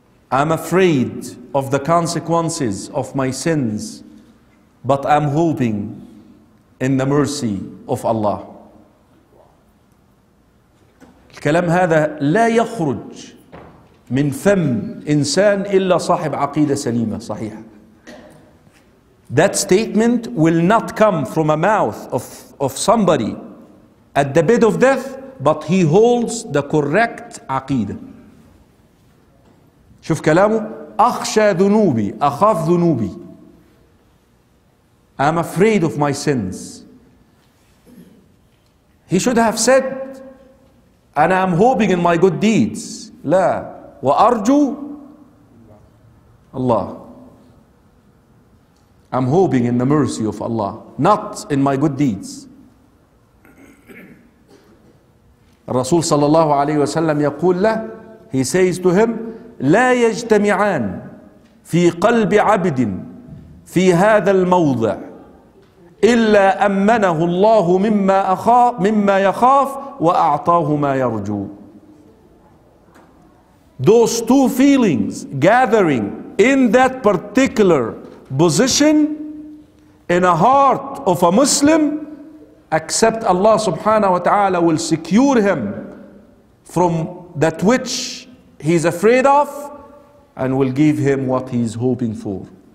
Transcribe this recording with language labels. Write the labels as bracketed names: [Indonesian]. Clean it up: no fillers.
[English] I'm afraid of the consequences of my sins, but I'm hoping in the mercy of Allah. [Arabic] الكلام هذا لا يخرج من فم إنسان إلا صاحب عقيدة سليمة صحيحة. [English] That statement will not come from a mouth of somebody at the bed of death, but he holds the correct aqeedah. [Arabic] شوف كلامه, أخشى ذنوبي, أخاف ذنوبي. [English] I'm afraid of my sins. He should have said, and I'm hoping in my good deeds. [Arabic] لا, وأرجو الله. [English] I'm hoping in the mercy of Allah, not in my good deeds. [Arabic] الرسول صلى الله عليه وسلم يقول له, [English] he says to him, [Arabic] لا يجتمعان في قلب عبد في هذا الموضع إلا أمنه الله مما يخاف وأعطاه ما يرجو. [English] Those two feelings gathering in that particular position in a heart of a Muslim, except Allah subhanahu wa ta'ala will secure him from that which he's afraid of and will give him what he's hoping for.